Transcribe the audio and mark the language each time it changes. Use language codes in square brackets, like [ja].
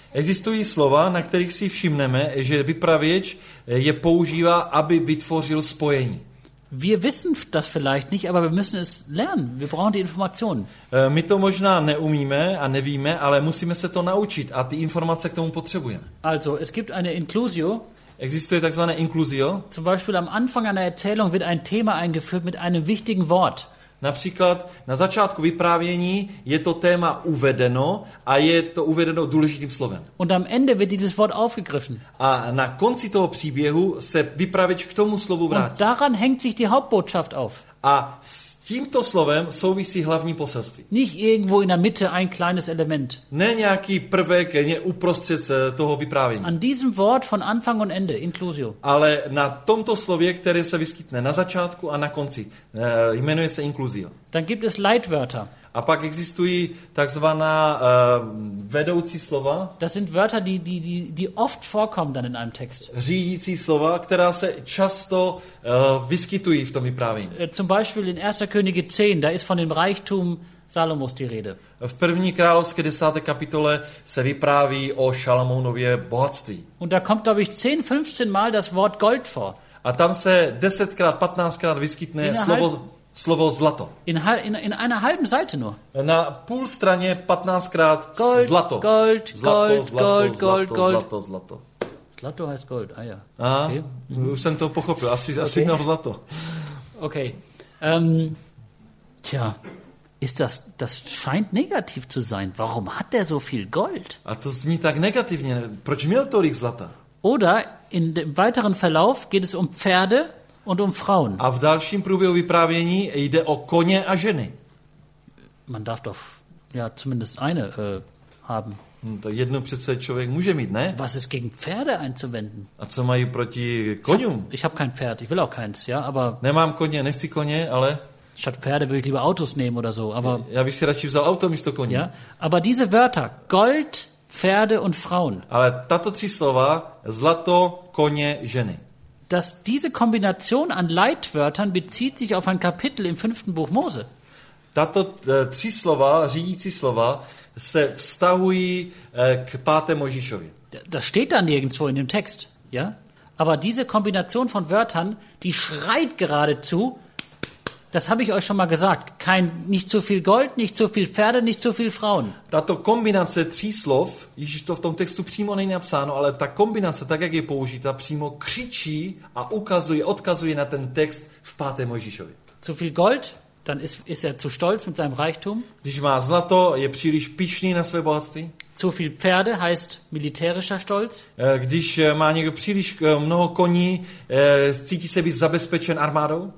[cs] Existují slova, na kterých si všimneme, že vypravěč je používá, aby vytvořil spojení. [de] Wir wissen das vielleicht nicht, aber wir müssen es lernen. Wir brauchen die Informationen. [cs] My to možná neumíme a nevíme, ale musíme se to naučit a ty informace k tomu potřebujeme. [de] Also, es gibt eine Inclusio. [cs] Existuje takzvané Inclusio. [de] Zum Beispiel am Anfang einer Erzählung wird ein Thema eingeführt mit einem wichtigen Wort. [cs] Například na začátku vyprávění je to téma uvedeno a je to uvedeno důležitým slovem. [de] Und am Ende wird dieses Wort aufgegriffen. [cs] A na konci toho příběhu se vypravěč k tomu slovu vrátí. [de] Und daran hängt sich die Hauptbotschaft auf. [cs] A s tímto slovem souvisí hlavní poselství. [de] Nicht irgendwo in der Mitte ein kleines Element. [cs] Ne nějaký prvek, ne uprostřed toho vyprávění. [de] An diesem Wort von Anfang und Ende, inklusio. [cs] Ale na tomto slově, které se vyskytne na začátku a na konci, jmenuje se inklusio. [de] Dann gibt es Leitwörter. [cs] A pak existují takzvaná vedoucí slova. [de] Das sind Wörter, die oft vorkommen dann in einem Text. [cs] Řídící slova, která se často vyskytují v tom vyprávění. [de] Zum Beispiel in 1. Könige 10, da ist von dem Reichtum Salomos die Rede. [cs] V první královské 10. kapitole se vypráví o Šalamounově bohatství. [de] Und da kommt glaube ich 10-15 Mal das Wort Gold vor. [cs] A tam se 10x-15x vyskytne slovo zlato. [de] In einer halben Seite nur. [cs] Na půl straně 15x [de] gold, [cs] zlato. [de] Gold, [cs] zlato, [de] gold, gold, gold, [cs] zlato, [de] gold, [cs] zlato, [de] gold. Zlato heißt gold, ah ja. Aha, okay. Mm-hmm. [cs] Už jsem to pochopil, asi okay. Měl zlato. Okay. [de] Tja, ist das scheint negativ zu sein. Warum hat der so viel gold? [cs] A to zní tak negativně. Proč měl tolik zlata? [de] Oder in dem weiteren Verlauf geht es um Pferde. Und um Frauen. [cs] A v dalším průběhu vyprávění jde o koně a ženy. [de] Man darf doch ja zumindest eine haben. [cs] To jedno přece člověk může mít, ne? [de] Was ist gegen Pferde einzuwenden? [cs] A co mají proti koňům? [de] Ich hab kein Pferd, ich will auch keins, ja, aber [cs] nemám koně, nechci koně, ale [de] statt Pferde will ich lieber Autos nehmen oder so, aber [cs] ja, bych si radši vzal auto místo koně. [de] Ja, aber diese Wörter, Gold, Pferde und Frauen. [cs] Ale tato tři slova, zlato, koně, ženy. [de] Dass diese Kombination an Leitwörtern bezieht sich auf ein Kapitel im 5. Buch Mose. [cs] Tato tři slova, řídící slova, se vztahují k 5. Mojžíšovi. [de] Das steht da nirgendwo in dem Text, ja? Aber diese Kombination von Wörtern, die schreit geradezu, das habe ich euch schon mal gesagt, nicht zu viel Gold, nicht zu viel Pferde, nicht zu viel Frauen. [cs] Tato kombinace tří slov, již to v tom textu přímo není napsáno, ale ta kombinace, tak jak je použita, přímo křičí a odkazuje na ten text v 5. Mojžíšovi. [de] Zu viel Gold, dann ist er zu stolz mit seinem Reichtum. [cs] Když má zlato, je příliš pyšný na své bohatství. [de] Zu viel Pferde heißt militärischer Stolz. [cs] Když má někdo příliš mnoho koní, cítí se být zabezpečen armádou.